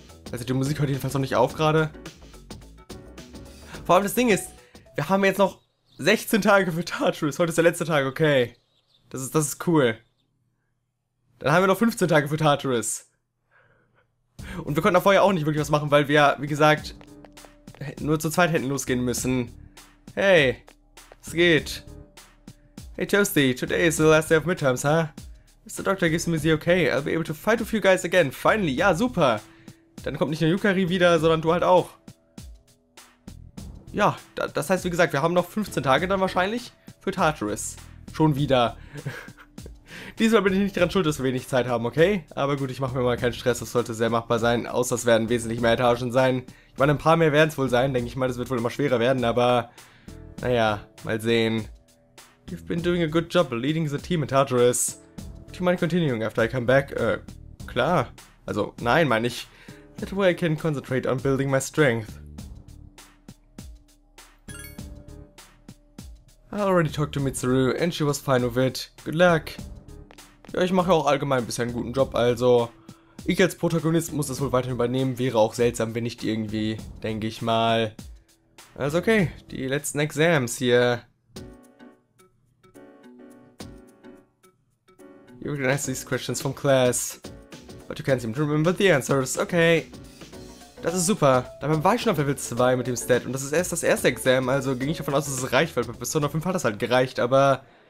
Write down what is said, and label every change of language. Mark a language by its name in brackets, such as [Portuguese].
[German] Also die Musik hört jedenfalls noch nicht auf gerade. Vor allem das Ding ist, wir haben jetzt noch 16 Tage für Tartarus. Heute ist der letzte Tag, okay. Das ist cool. Dann haben wir noch 15 Tage für Tartarus. Und wir konnten da vorher auch nicht wirklich was machen, weil wir, wie gesagt, nur zu zweit hätten losgehen müssen. Hey, es geht. [English] Hey Toasty, today is the last day of midterms, huh? Mr. Doctor gives me the okay. I'll be able to fight with you guys again, finally. [German] Ja, super. Dann kommt nicht nur Yukari wieder, sondern du halt auch. Ja, das heißt, wie gesagt, wir haben noch 15 Tage dann wahrscheinlich für Tartarus. Schon wieder. Diesmal bin ich nicht daran schuld, dass wir wenig Zeit haben, okay? Aber gut, ich mache mir mal keinen Stress, das sollte sehr machbar sein. Außer es werden wesentlich mehr Etagen sein. Ich meine, ein paar mehr werden es wohl sein, denke ich mal. Das wird wohl immer schwerer werden, aber... Naja, mal sehen. [English] You've been doing a good job leading the team in Tartarus. Do you mind continuing after I come back? [German] Klar. Also, nein, meine ich. [English] That way I can concentrate on building my strength. I already talked to Mitsuru and she was fine with it. Good luck. [German] Ja, ich mache auch allgemein bisher einen guten Job, also... Ich als Protagonist muss das wohl weiter übernehmen, wäre auch seltsam, wenn nicht irgendwie, denke ich mal. Also okay, die letzten Exams hier. [English] You can ask these questions from class. But you can't seem to remember the answers, okay. [German] Das ist super, dabei war ich schon auf Level 2 mit dem Stat und das ist erst das erste Exam, also ging ich davon aus, dass es reicht, weil bei Persona 5 hat das halt gereicht, aber...